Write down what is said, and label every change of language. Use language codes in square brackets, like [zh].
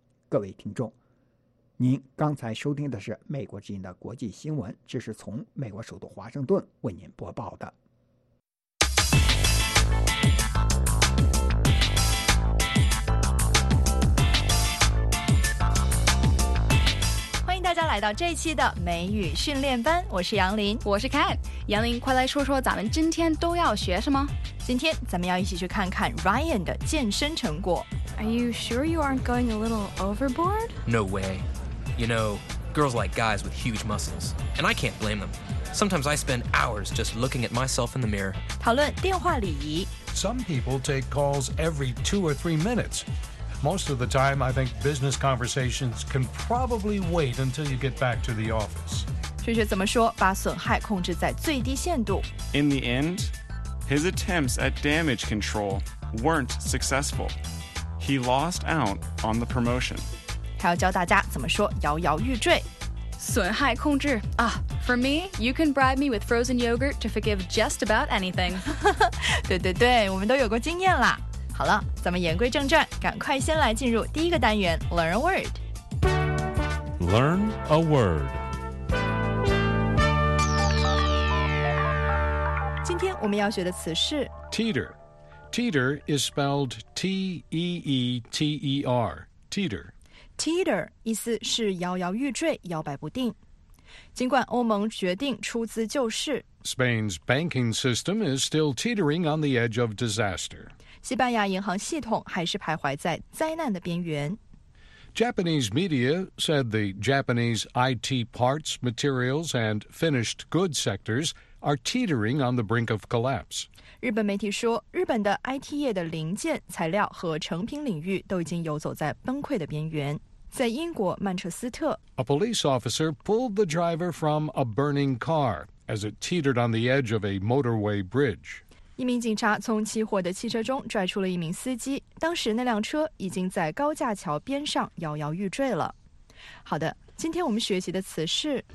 [zh] 各位听众，您刚才收听的是《美国之音》的国际新闻，这是从美国首都华盛顿为您播报的。来到这一期的美语训练班，我是杨林，我是 Kat。杨林，快来说说咱们今天都要学什么。今天咱们要一起去看看 Ryan 的健身成果。 [en] Are you sure you aren't going a little overboard? No way. You know, girls like guys with huge muscles, and I can't blame them. Sometimes I spend hours just looking at myself in the mirror. [zh] 讨论电话礼仪。 [en] Some people take calls every 2 or 3 minutes. Most of the time, I think business conversations can probably wait until you get back to the office. [zh] 学学怎么说，把损害控制在最低限度。 [en] In the end, his attempts at damage control weren't successful. He lost out on the promotion. [zh] 还要教大家怎么说摇摇欲坠。损害控制啊。 [en] For me, you can bribe me with frozen yogurt to forgive just about anything. [zh] 对对对，我们都有过经验啦。好了，咱们言归正传，赶快先来进入第一个单元 Learn a Word. [en] Learn a Word. [zh] 今天我们要学的词是 [en] Teeter. Teeter is spelled T-E-E-T-E-R. Teeter. [zh] Teeter 意思是摇摇欲坠，摇摆不定。尽管欧盟决定出资救市， [en] Spain's banking system is still teetering on the edge of disaster. [zh] 西班牙银行系统还是徘徊在灾难的边缘。 [en] Japanese media said the Japanese IT parts, materials, and finished goods sectors are teetering on the brink of collapse. [zh] 日本媒体说，日本的 IT 业的零件、材料和成品领域都已经游走在崩溃的边缘。在英国曼彻斯特， [en] A police officer pulled the driver from a burning car as it teetered on the edge of a motorway bridge. [zh] 一名警察从起火的汽车中拽出了一名司机，当时那辆车已经在高架桥边上摇摇欲坠了。好的，今天我们学习的词是